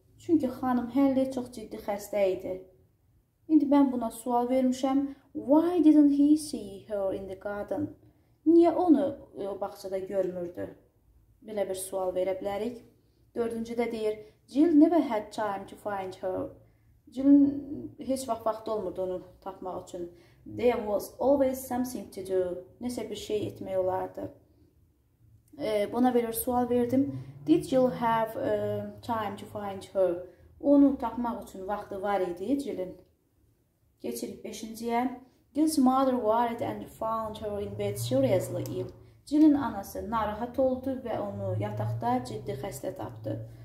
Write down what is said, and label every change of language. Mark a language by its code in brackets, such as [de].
[az] Çünki xanım Henley çox ciddi xəstə idi. İndi mən buna sual vermişəm. [en] Why didn't he see her in the garden? [az] Niyə onu o bağçada görmürdü? Belə bir sual verə bilərik. Dördüncü də deyir, [en] Jill never had time to find her. [az] Jill'in heç vaxt vaxtı olmurdu onu tapmaq üçün. [en] There was always something to do. [az] Nəsə bir şey etmək olardı. Buna belə bir sual verdim. [en] Did Jill have time to find her? [az] Onu tapmaq üçün vaxtı var idi Jill'in. Geçirik beşinciyə. [en] Jill's mother worried and found her in bed seriously ill. [az] Jill'in anası narahat oldu və onu yataqda ciddi xəstə tapdı.